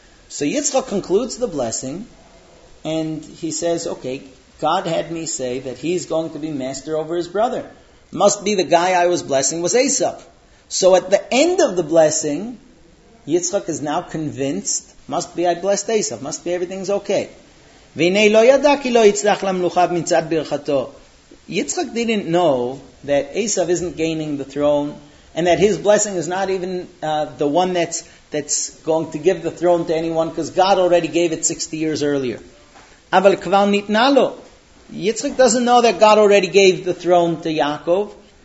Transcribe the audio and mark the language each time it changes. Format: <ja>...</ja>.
<en>So Yitzchak concludes the blessing, and he says, okay, God had me say that he's going to be master over his brother. Must be the guy I was blessing was Esav. So at the end of the blessing, Yitzchak is now convinced, must be I blessed Esav, must be everything's okay.</en> <he>והנה לא ידע כי לא יצלח למלוכה מצד ברכתו.</he> <en>Yitzchak didn't know that Esav isn't gaining the throne, and that his blessing is not even the one that's going to give the throne to anyone, because God already gave it 60 years earlier.</en> <he>Aval kvar nitna lo.</he> <en>Yitzchak doesn't know that God already gave the throne to Yaakov.</en>